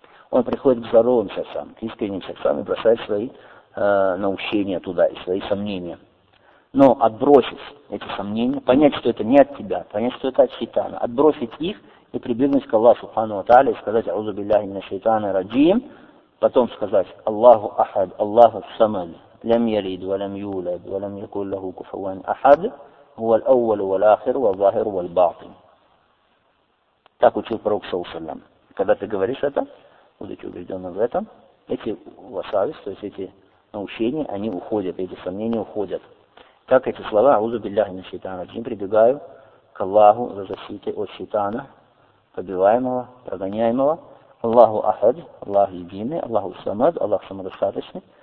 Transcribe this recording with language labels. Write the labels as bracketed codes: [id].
[ru] Он приходит к здоровым сердцам, к искренним сердцам и бросает свои наущения туда и свои сомнения. Но отбросить эти сомнения, понять, что это не от тебя, понять, что это от шайтана, отбросить их и прибегнуть к Аллаху Субхану ва Тааля и сказать [ar] «Аузу билляхи мина шайтана раджим», [ru] потом сказать [ar] «Аллаху ахад, Аллаху самад». لم يلد ولم يولد ولم يكن له كفوا احد هو الاول والاخر والظاهر والباطن. [ru] Так учил пророк саллам. Когда ты говоришь это, будучи убежденным в этом, эти васавис, то есть эти научения, они уходят, эти сомнения уходят. Как эти слова, [ar] аузу билляхи мин шайтана раджим, [ru] прибегаю к Аллаху за защитой от шайтана, побиваемого, прогоняемого, Аллаху ахад, Аллах единый, Аллаху самад, Аллах самодостаточный.